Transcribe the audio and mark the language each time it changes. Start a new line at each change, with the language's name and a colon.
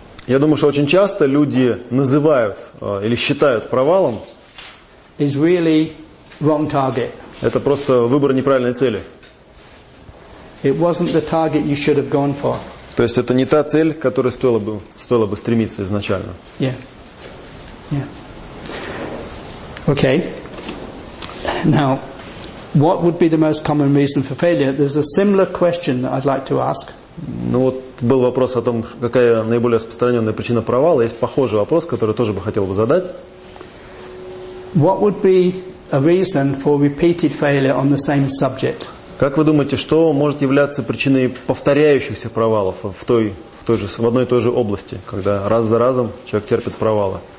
Russian: Я думаю, что очень часто люди называют или считают провалом
English: is really wrong target.
Russian: Это просто выбор неправильной цели.
English: It wasn't the target you should have gone for.
Russian: То есть это не та цель, к которой стоило бы стремиться изначально.
English: Yeah. Yeah. Okay. Now, what would be the most common reason for failure? There's a similar question that I'd like to ask.
Russian: Ну вот был вопрос о том, какая наиболее распространенная причина провала. Есть похожий вопрос, который тоже бы хотел бы задать.
English: What would be a reason for repeated failure on the same subject?
Russian: Как вы думаете, что может являться причиной повторяющихся провалов в одной и той же области, когда раз за разом человек терпит провалы?